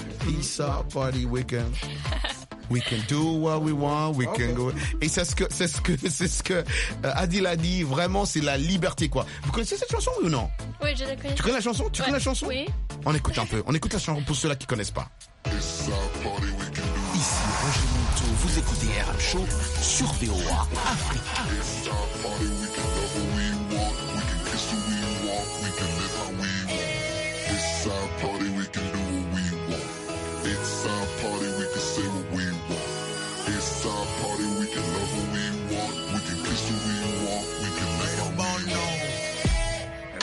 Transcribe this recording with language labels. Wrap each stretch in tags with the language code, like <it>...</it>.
<en>This our party, we can do what we want.</en> <fr>Et c'est ce que Adil a dit, vraiment, c'est la liberté, quoi. Vous connaissez cette chanson, oui ou non? Oui, je la connais. Tu connais la chanson? Oui. On écoute un peu. On écoute la chanson pour ceux-là qui connaissent pas.</fr> <en>It's our party, we can do.</en> <fr>Ici Roger Mouto, vous écoutez RM Show sur VOA Afrique.</fr> <en>It's our party, we can love who we want, we can kiss who we want, we can live how we want. It's our party, we can do what we want. It's our party, we can say what we want. It's our party, we can love who we want, we can kiss who we want, we can live how we want.</en>